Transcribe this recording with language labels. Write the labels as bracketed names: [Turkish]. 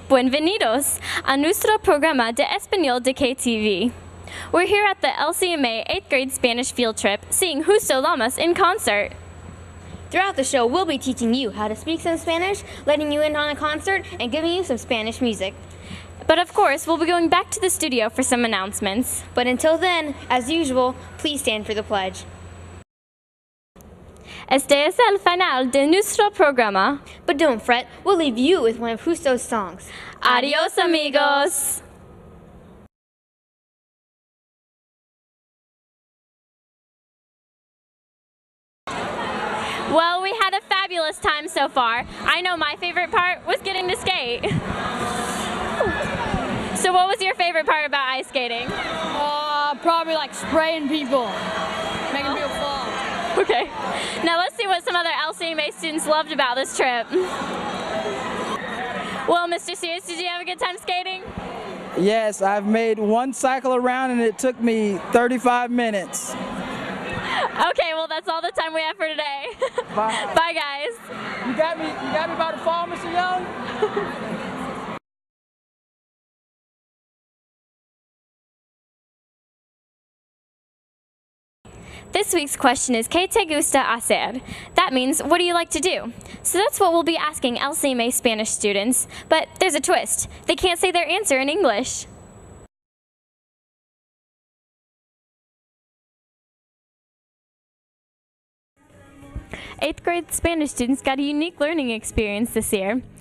[Spanish] Buenvenidos a nuestro programa de Español de KTV. [English] We're here at the LCMA 8th grade Spanish field trip, seeing Justo Lamas in concert. Throughout the show, we'll be teaching you how to speak some Spanish, letting you in on a concert, and giving you some Spanish music. But of course, we'll be going back to the studio for some announcements. But until then, as usual, please stand for the pledge. [Spanish] Este es el final de nuestro programa. [English] But don't fret, we'll leave you with one of Justo's songs. [Spanish] Adios, amigos! [English] Well, we had a fabulous time so far. I know my favorite part was getting to skate. So what was your favorite part about ice skating? Probably like spraying people, making people fall. Okay. Now let's see what some other LCMA students loved about this trip. Well, Mr. Sears, did you have a good time skating? Yes, I've made one cycle around and it took me 35 minutes. Okay, well, that's all the time we have for today. Bye. Bye, guys. You got me by the fall, Mr. Young? This week's question is, [Spanish] ¿Qué te gusta hacer? [English] That means, what do you like to do? So that's what we'll be asking LCMA Spanish students. But there's a twist. They can't say their answer in English. Eighth grade Spanish students got a unique learning experience this year.